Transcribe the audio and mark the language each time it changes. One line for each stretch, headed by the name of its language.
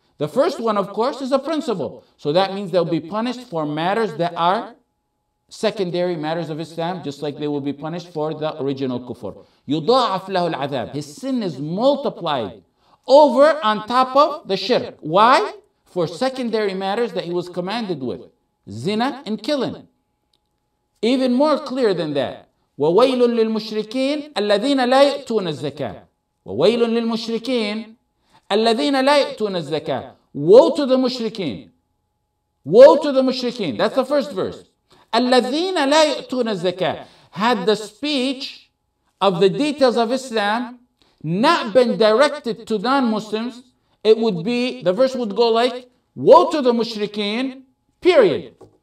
English: The first one, of course, is a principle. So that means they'll be punished for matters that are secondary matters of Islam, just like they will be punished for the original kufr.
Arabic: يُضَاعَفْ لَهُ الْعَذَابِ
English: His sin is multiplied over on top of the shirk. Why? For secondary matters that he was commanded with. Zina and killing. Even more clear than that.
Arabic: وَوَيْلٌ لِلْمُشْرِكِينَ الَّذِينَ لَا يُؤْتُونَ الزَّكَاةِ وَوَيْلٌ لِلْمُشْرِكِينَ الَّذِينَ لَا يُؤْتُونَ الزَّكَاةِ
English: Woe to the mushrikeen. Woe to the mushrikeen. That's the first verse.
Arabic: الَّذِينَ لَا يُؤْتُونَ الزَّكَاةِ
English: Had the speech of the details of Islam not been directed to non-Muslims, it would be, the verse would go like, woe to the mushrikeen, period.